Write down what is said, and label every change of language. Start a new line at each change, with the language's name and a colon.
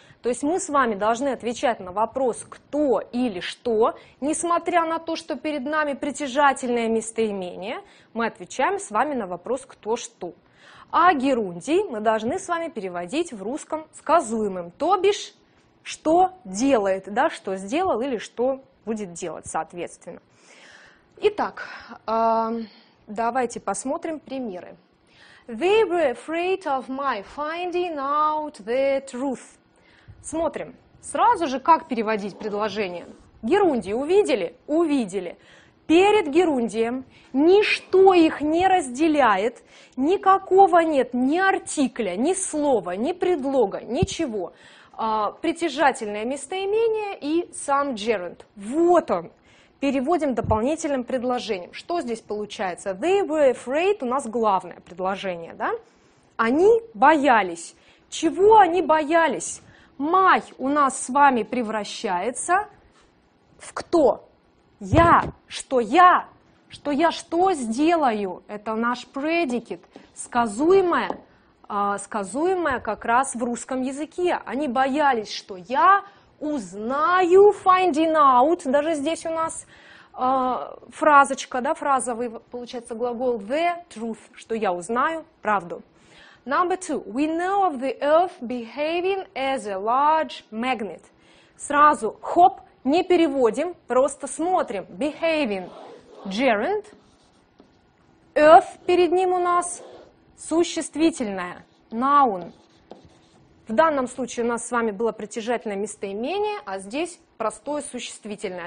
Russian: То есть мы с вами должны отвечать на вопрос «кто» или «что», несмотря на то, что перед нами притяжательное местоимение, мы отвечаем с вами на вопрос «кто», «что». А герундий мы должны с вами переводить в русском сказуемым, то бишь «что делает», да, «что сделал» или «что будет делать», соответственно. Итак, давайте посмотрим примеры.
English: They were afraid of my finding out the truth.
Russian: Смотрим, сразу же как переводить предложение. Герундий увидели? Увидели. Перед герундием ничто их не разделяет, никакого нет ни артикля, ни слова, ни предлога, ничего. Притяжательное местоимение и сам gerund. Вот он. Переводим дополнительным предложением. Что здесь получается?
English: They were afraid,
Russian: у нас главное предложение, да? Они боялись. Чего они боялись? My у нас с вами превращается в кто? Я. Что я? Что я что сделаю? Это наш предикат. Сказуемое. Сказуемое как раз в русском языке. Они боялись, что я узнаю, finding out, даже здесь у нас фразочка, да, фразовый, получается, глагол
English: the truth,
Russian: что я узнаю правду.
English: Number two. We know of the earth behaving as a large magnet.
Russian: Сразу, хоп, не переводим, просто смотрим. Behaving, gerund. Earth перед ним у нас существительное, noun. В данном случае у нас с вами было притяжательное местоимение, а здесь простое существительное.